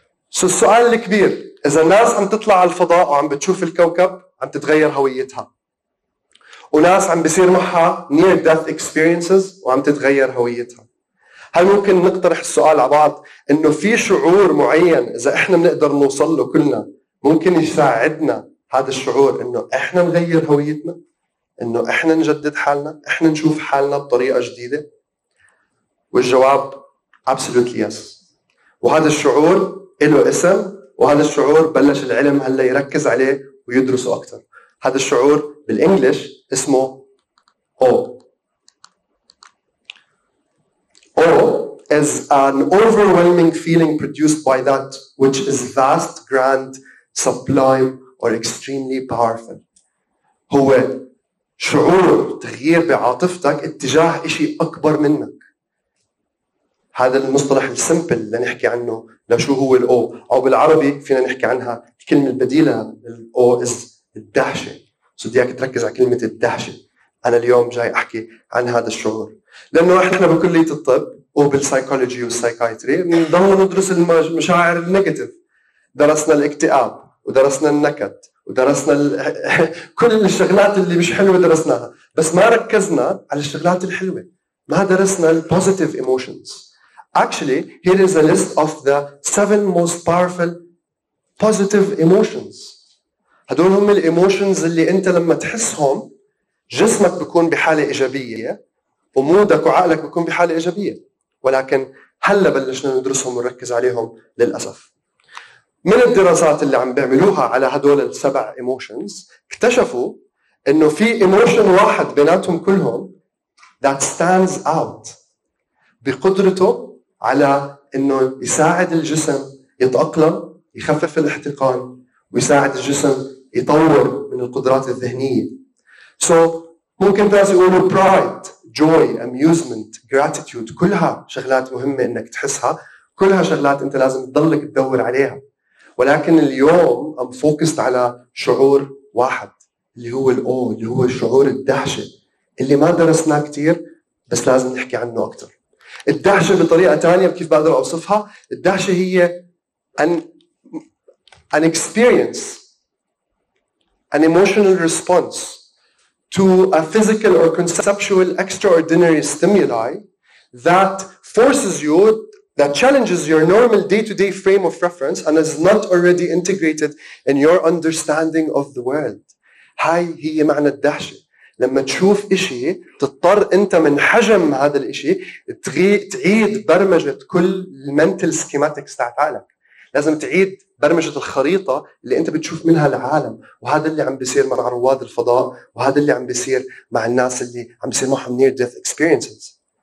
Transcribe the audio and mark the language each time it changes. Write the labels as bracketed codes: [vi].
[ar] سو السؤال الكبير، إذا الناس عم تطلع على الفضاء وعم بتشوف الكوكب عم تتغير هويتها، وناس عم بيصير معها [en] near death experiences [ar] وعم تتغير هويتها، هل ممكن نقترح السؤال على بعض انه في شعور معين اذا احنا بنقدر نوصل له كلنا ممكن يساعدنا هذا الشعور انه احنا نغير هويتنا، انه احنا نجدد حالنا، احنا نشوف حالنا بطريقة جديدة؟ والجواب [en] absolutely yes. [ar] وهذا الشعور له اسم، وهذا الشعور بلش العلم هلا يركز عليه ويدرسه اكثر. هذا الشعور بالانجلش اسمه awe. [en] Awe is an overwhelming feeling produced by that which is vast, grand, sublime, or extremely powerful. [ar] هو شعور تغيير بعاطفتك اتجاه اشي اكبر منك. هذا المصطلح السمبل اللي نحكي عنه لشو هو awe، او بالعربي فينا نحكي عنها الكلمة البديلة [en] awe is [ar] الدهشة. سديك تركز على كلمة الدهشة. أنا اليوم جاي أحكي عن هذا الشعور، لأنه إحنا بكلية الطب وبالسايكولوجي والسايكايتري بنضل ندرس المشاعر النيجاتيف. درسنا الاكتئاب ودرسنا النكد ودرسنا كل الشغلات اللي مش حلوة درسناها، بس ما ركزنا على الشغلات الحلوة، ما درسنا البوزيتيف إيموشنز. [en] Actually here is a list of the 7 most powerful positive emotions. [ar] هدول هم الايموشنز اللي انت لما تحسهم جسمك بيكون بحاله ايجابيه ومودك وعقلك بيكون بحاله ايجابيه، ولكن هلا بلشنا ندرسهم ونركز عليهم للاسف. من الدراسات اللي عم بيعملوها على هدول السبع ايموشنز اكتشفوا انه في ايموشن واحد بيناتهم كلهم [en] that stands out [ar] بقدرته على انه يساعد الجسم يتاقلم، يخفف الاحتقان، ويساعد الجسم يطور من القدرات الذهنية. So ممكن تاسي يقولوا [en] pride, joy, amusement, gratitude، [ar] كلها شغلات مهمة انك تحسها، كلها شغلات انت لازم تضلك تدور عليها، ولكن اليوم [en] I'm focused [ar] على شعور واحد اللي هو awe، اللي هو شعور الدهشة اللي ما درسناه كتير بس لازم نحكي عنه أكتر. الدهشة بطريقة تانية كيف بقدر أوصفها، الدهشة هي [en] an experience, an emotional response to a physical or conceptual extraordinary stimuli that forces you, that challenges your normal day-to-day frame of reference and is not already integrated in your understanding of the world. [ar] هاي هي معنى الدهشة. لما تشوف إشي تضطر أنت من حجم هذا الإشي تعيد برمجة كل [en] mental schematics [ar] تاعت عقلك. لازم تعيد برمجة الخريطة اللي أنت بتشوف منها العالم، وهذا اللي عم بيصير مع رواد الفضاء، وهذا اللي عم بيصير مع الناس اللي عم بيصير معهم [en] near death experiences.